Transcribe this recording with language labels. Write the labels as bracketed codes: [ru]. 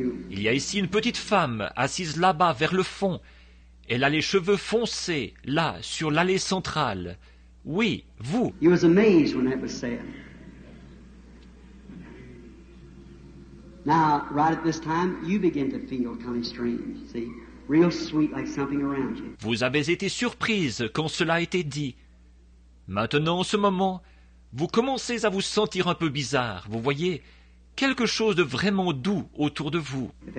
[fr] Il y a ici une petite femme assise là-bas vers le fond. Elle a les cheveux foncés, là, sur l'allée centrale. Oui, vous. [en] He was amazed when that was said. Now, right at this time, you begin to feel kind of strange, see? Real sweet, like something around you. [fr] Vous avez été surprise quand cela a été dit. Maintenant, en ce moment, vous commencez à vous sentir un peu bizarre. Vous voyez, quelque chose de vraiment doux autour de vous.